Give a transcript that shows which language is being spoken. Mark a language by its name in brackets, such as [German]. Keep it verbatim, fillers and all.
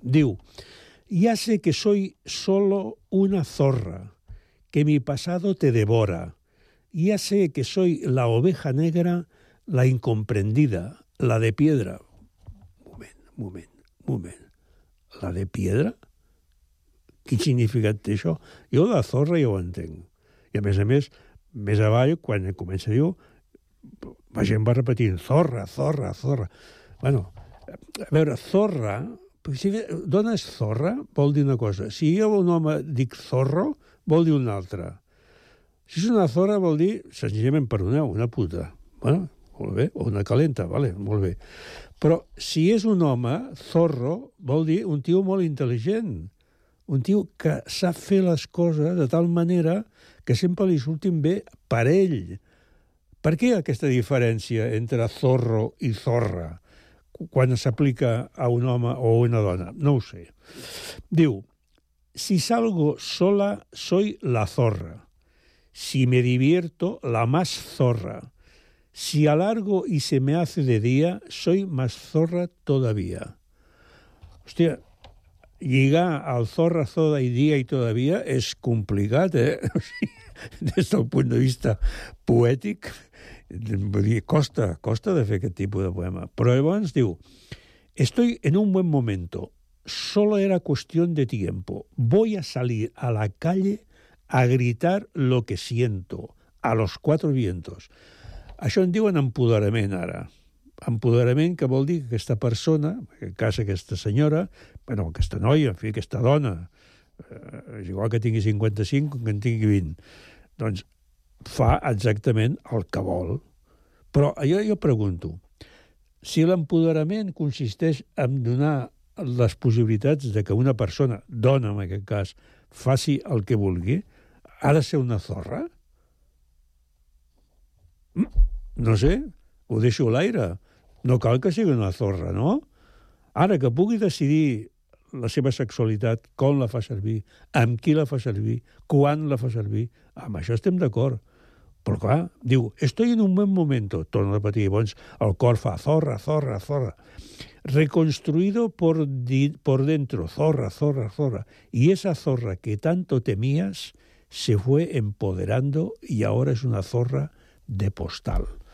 [Catalan] Diu, [Spanish] ya sé que soy solo una zorra, que mi pasado te devora. Ya sé que soy la oveja negra, la incomprendida, la de piedra. [Catalan] Un moment, un moment, un moment. [Spanish] La de piedra? [Catalan] Quin significat té això? Jo de zorra ja ho entenc. I a més a més, més avall, quan comença a dir, la gent va repetint, zorra, zorra, zorra. Bueno, a veure, zorra, si dones zorra, vol dir una cosa. Si jo a un home dic zorro, vol dir una altra. Si és una zorra, vol dir, senzillament, perdoneu, una puta. Bueno, molt bé, o una calenta, vale, molt bé. Però si és un home, zorro, vol dir un tio molt intel·ligent, un tio que sap fer les coses de tal manera que sempre li surtin bé per ell. Per què aquesta diferència entre zorro i zorra quan s'aplica a un home o a una dona? No ho sé. Diu, [Spanish] si salgo sola, soy la zorra. Si me divierto, la más zorra. Si alargo y se me hace de día, soy más zorra todavía. [Catalan] Hòstia, lligar al zorra, zoda i dia i todavía és complicat, eh? O sigui, des del punt de vista poètic, vull dir, costa, costa de fer aquest tipus de poema. Però llavors diu, [Spanish] estoy en un buen momento, solo era cuestión de tiempo, voy a salir a la calle a gritar lo que siento, a los cuatro vientos. [Catalan] Això en diuen empoderament ara. Empoderament, que vol dir que aquesta persona, en cas aquesta senyora, bueno, aquesta noia, en fi, aquesta dona, eh, és igual que tingui cinquanta-cinc o que en tingui vint, doncs fa exactament el que vol. Però jo, jo pregunto, si l'empoderament consisteix en donar les possibilitats de que una persona, dona en aquest cas, faci el que vulgui, ha de ser una zorra? No sé, ho deixo a l'aire. No cal que sigui una zorra, no? Ara, que pugui decidir la seva sexualitat, com la fa servir, amb qui la fa servir, quan la fa servir, amb això estem d'acord. Però, clar, diu, [Spanish] estoy en un buen momento, [Catalan] torno a repetir, llavors el cor fa [Spanish] zorra, zorra, zorra, reconstruido por, di, por dentro, zorra, zorra, zorra, y esa zorra que tanto temías se fue empoderando y ahora es una zorra de postal.